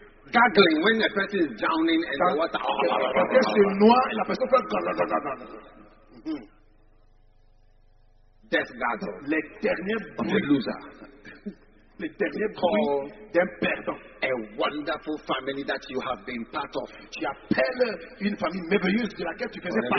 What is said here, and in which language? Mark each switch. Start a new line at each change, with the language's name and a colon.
English: Gaggling when a person is drowning and the water.
French: Quand quelqu'un se noie et la personne fait gaggle.
English: Death gaggle.
French: Le dernier
English: bruit. A loser.
French: Le dernier bruit d'un perdant.
English: A wonderful family that you have been part of.
French: Tu appelles une famille merveilleuse de laquelle tu faisais partie.